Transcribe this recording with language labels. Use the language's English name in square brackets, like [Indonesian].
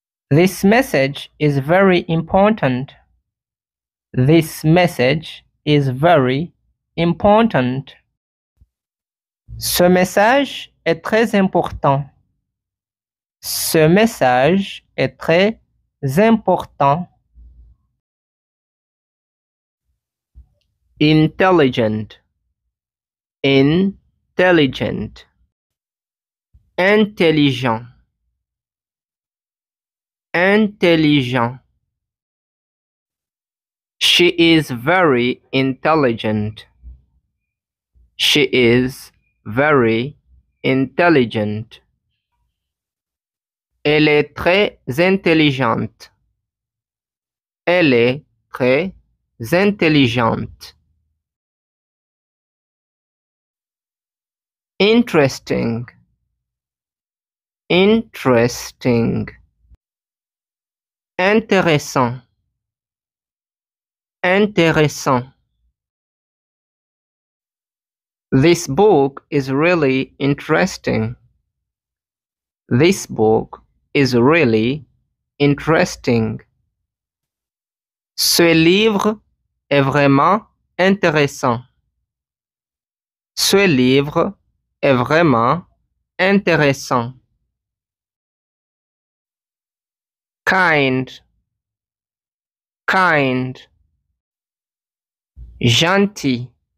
[English] This message is very important. This message is very important. [French] Ce message est très important. Ce message est très important. [English] Intelligent. Intelligent. Intelligent. Intelligent. She is very intelligent. She is very intelligent. [French] Elle est très intelligente. Elle est très intelligente. [English] Interesting. Interesting. [French] Intéressant. Intéressant. [English] This book is really interesting. This book is really interesting. [French] Ce livre est vraiment intéressant. Ce livre est vraiment intéressant. [English] Kind. Kind. Gentil.